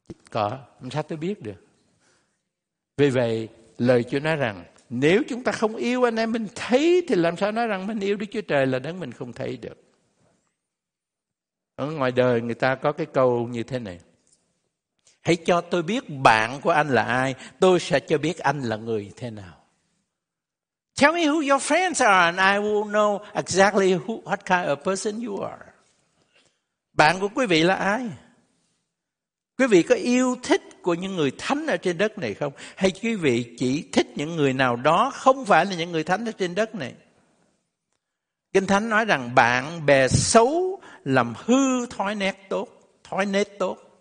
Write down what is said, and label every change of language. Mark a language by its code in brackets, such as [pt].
[vi] Có, làm sao tôi biết được? Vì vậy, lời Chúa nói rằng nếu chúng ta không yêu anh em mình thấy thì làm sao nói rằng mình yêu Đức Chúa Trời là đấng mình không thấy được. Ở ngoài đời người ta có cái câu như thế này: hãy cho tôi biết bạn của anh là ai, tôi sẽ cho biết anh là người thế nào. [en] Tell me who your friends are and I will know exactly who, what kind of person you are. [vi] Bạn của quý vị là ai? Quý vị có yêu thích của những người thánh ở trên đất này không? Hay quý vị chỉ thích những người nào đó không phải là những người thánh ở trên đất này? Kinh Thánh nói rằng bạn bè xấu làm hư thói nết tốt.